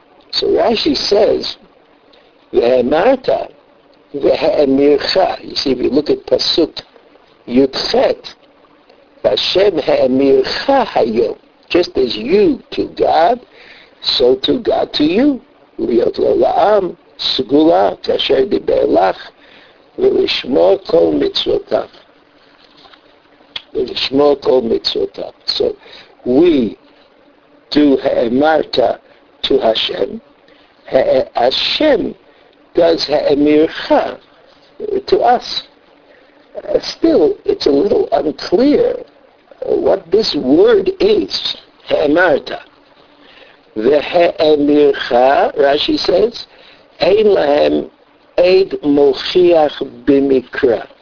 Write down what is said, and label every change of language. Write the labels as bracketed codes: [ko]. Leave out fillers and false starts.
[en] So Rashi says, v'he'emarta, v'he'emircha. You see, if you look at Pasuk Yudchet, Hashem he'emircha hayom. Just as you to God, so to God to you. [he] Liyot lo la'am, סגולה כאשר דיבר לך ולשמור כל מצוותיו. ולשמור כל מצוותיו. [en] So, we do האמרתה to Hashem. Hashem does האמירך to us. Still, it's a little unclear what this word is, האמרתה. [he] והאמירך, [en] Rashi says, [he] אין להם עד מוכיח במקרא.